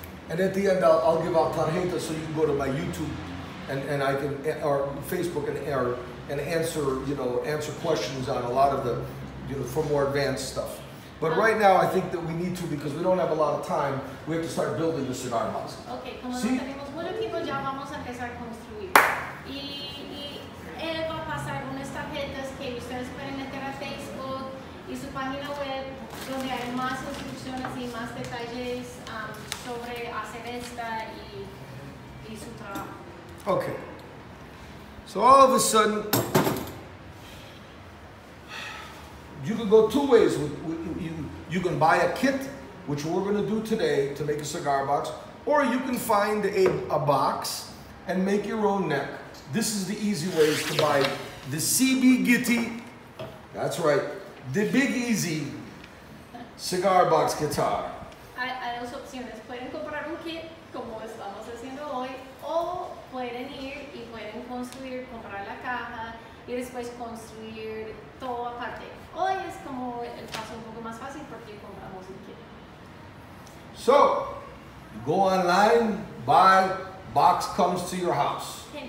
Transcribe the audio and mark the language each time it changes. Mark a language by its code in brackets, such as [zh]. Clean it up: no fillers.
[en] and at the end I'll give out tarjeta so you can go to my YouTube and I can or Facebook and answer answer questions on a lot of the for more advanced stuff. But right now I think that we need to because we don't have a lot of time. We have to start building the cigar box. [es] Okay, como no tenemos mucho tiempo ya vamos a empezar a construir. Y él va a pasar unas tarjetas que ustedes pueden meter a Facebook y su página web donde hay más instrucciones y más detalles sobre hacer esta y su trabajo. [en] Okay, so all of a sudden, you can go two ways. You can buy a kit, which we're gonna do today to make a cigar box, or you can find a box and make your own neck. This is the easy ways to buy the CB Gitty, that's right, the big easy cigar box guitar. [es] Hay dos opciones, pueden comprar un kit, como estamos haciendo hoy, o pueden ir y pueden construir, comprar la caja y después construir todo aparte. Hoy es como el paso un poco más fácil porque compramos el kit. [en] So, you go online, buy, box comes to your house.